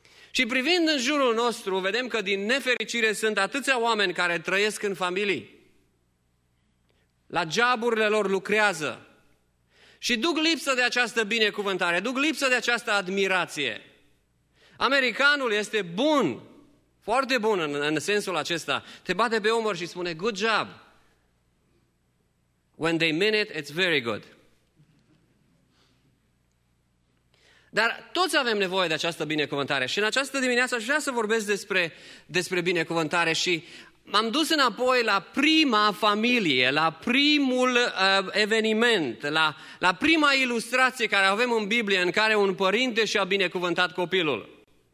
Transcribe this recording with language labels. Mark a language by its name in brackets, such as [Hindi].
[Romanian] Și privind în jurul nostru, vedem că din nefericire sunt atâția oameni care trăiesc în familii, la joburile lor lucrează și duc lipsă de această binecuvântare, duc lipsă de această admirație. Americanul este bun, foarte bun în sensul acesta, te bate pe umăr și spune [English] good job. When they mean it, it's very good. [Romanian] Dar toți avem nevoie de această binecuvântare și în această dimineață aș vrea să vorbesc despre binecuvântare și m-am dus înapoi la prima familie, la primul eveniment, la prima ilustrație care avem în Biblie în care un părinte și-a binecuvântat copilul.